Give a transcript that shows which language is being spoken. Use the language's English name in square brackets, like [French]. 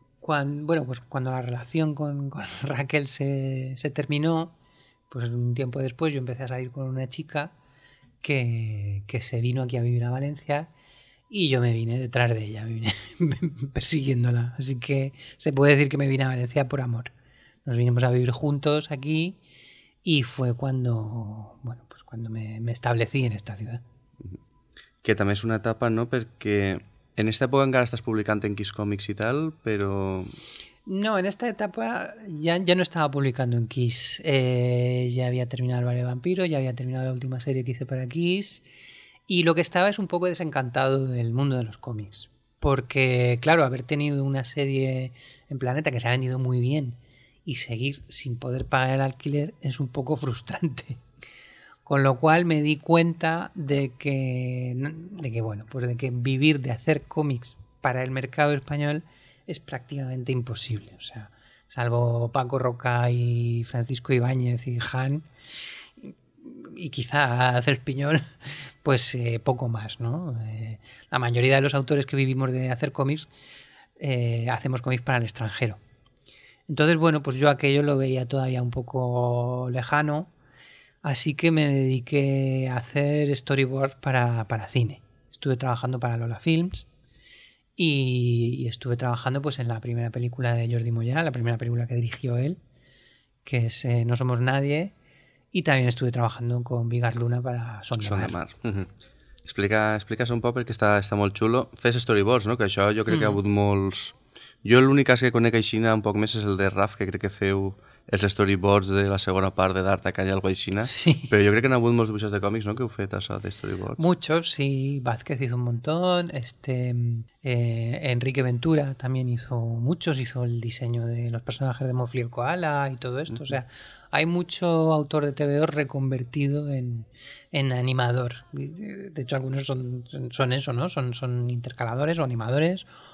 [Spanish] cuando, bueno, pues cuando la relación con Raquel se terminó, pues un tiempo después yo empecé a salir con una chica que se vino aquí a vivir a Valencia y yo me vine detrás de ella, me vine persiguiéndola. Así que se puede decir que me vine a Valencia por amor. Nos vinimos a vivir juntos aquí y fue cuando, bueno, pues cuando me establecí en esta ciudad. [Catalan] Que també és una etapa, no?, perquè en aquesta època encara estàs publicant en Kiss Comics i tal, però... No, en aquesta etapa ja no estava publicant en Kiss. Ja havia terminat el Ballet Vampiro, ja havia terminat l'última sèrie que hice per a Kiss, i lo que estava és [Spanish] un poco desencantado del mundo de los cómics. Porque, claro, haber tenido una sèrie en Planeta que se ha vendido muy bien y seguir sin poder pagar el alquiler es un poco frustrante. Con lo cual me di cuenta de que vivir de hacer cómics para el mercado español es prácticamente imposible. O sea, salvo Paco Roca y Francisco Ibáñez y Han, y quizá Cerpiñol, pues poco más, ¿no? La mayoría de los autores que vivimos de hacer cómics hacemos cómics para el extranjero. Entonces, bueno, pues yo aquello lo veía todavía un poco lejano. Así que me dediqué a hacer storyboards para cine. Estuve trabajando para Lola Films y estuve trabajando pues en la primera película de Jordi Mollà, la primera película que dirigió él, que es No somos nadie, y también estuve trabajando con Vigar Luna para Son de Mar. Uh-huh. [Catalan] Explica-se un poc perquè està molt xulo. Fes storyboards, no? Que això jo crec que ha hagut molts... Jo l'únic cas que conec aixina un poc més és el de Raf, que crec que feu... els storyboards de la segona part de D'Art a Calle Alguaixina. Sí. Però jo crec que han hagut molts dibuixos de còmics, no?, que heu fet això de storyboards. [Spanish] Muchos, sí. Vázquez hizo un montón. Enrique Ventura también hizo muchos. Hizo el diseño de los personajes de Mofli y Koala y todo esto. Mm-hmm. O sea, hay mucho autor de TVO reconvertido en animador. De hecho, algunos son eso, ¿no? Son intercaladores o animadores.